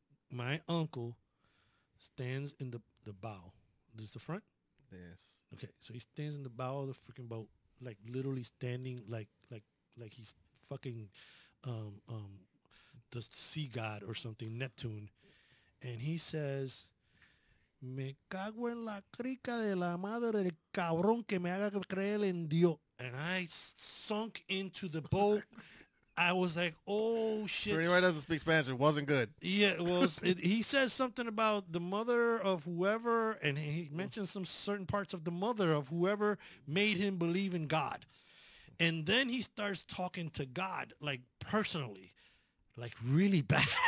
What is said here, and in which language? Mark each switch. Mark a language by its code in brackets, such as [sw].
[en] My uncle stands in the bow. This is the front? Yes. Okay, so he stands in the bow of the freaking boat, like literally standing like he's fucking the sea god or something, Neptune. And he says, [es] me cago en la crica de la madre del cabrón que me haga creer en Dios. [en] And I sunk into the boat. I was like, oh, shit. For anybody that doesn't speak Spanish, it wasn't good. Yeah, it was. He says something about the mother of whoever, and he mentions some certain parts of the mother of whoever made him believe in God. And then he starts talking to God, like, personally, like, really bad.